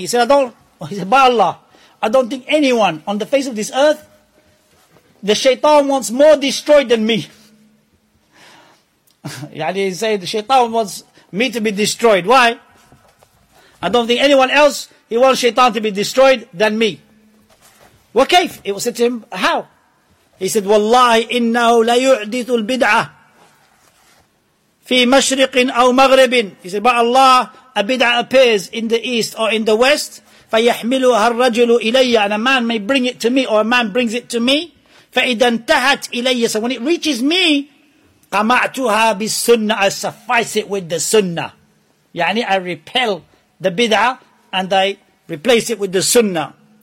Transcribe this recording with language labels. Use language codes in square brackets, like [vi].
[en] He said, by Allah, I don't think anyone on the face of this earth, the shaytan wants more destroyed than me. Yani, he said, the shaytan wants me to be destroyed. Why? I don't think anyone else, he wants shaytan to be destroyed than me. [ar] وكيف؟ [en] It was said to him, how? He said, [ar] والله إنه لا يحدث البدعة في مشرق أو مغرب. [en] He said, by Allah, a bid'ah appears in the east or in the west. [ar] فيحملها الرجل إلي. [en] And a man may bring it to me, or a man brings it to me. [ar] فإذا انتهت إلي. [en] So when it reaches me, [ar] قمعتها بالسنة. [en] I suffice it with the sunnah. يعني I repel the bid'ah and I replace it with the sunnah.